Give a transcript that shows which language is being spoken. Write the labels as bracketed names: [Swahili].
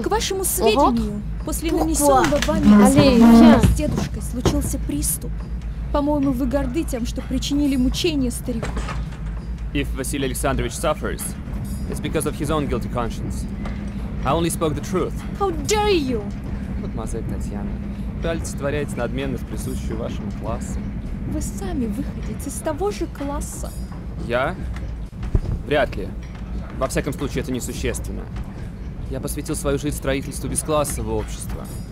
[Russian] К вашему сведению, после нанесенного вами удара с дедушкой случился приступ. По-моему, вы горды тем, что причинили мучения старику. [English] If Vasily Alexandrovich suffers, it's because of his own guilty conscience. I only spoke the truth. How dare you! [Russian] Мадемуазель Татьяна, вы олицетворяете надменность, присущую вашему классу. Вы сами выходите из того же класса. Я? Вряд ли. Во всяком случае, это несущественно. Я посвятил свою жизнь строительству бесклассового общества.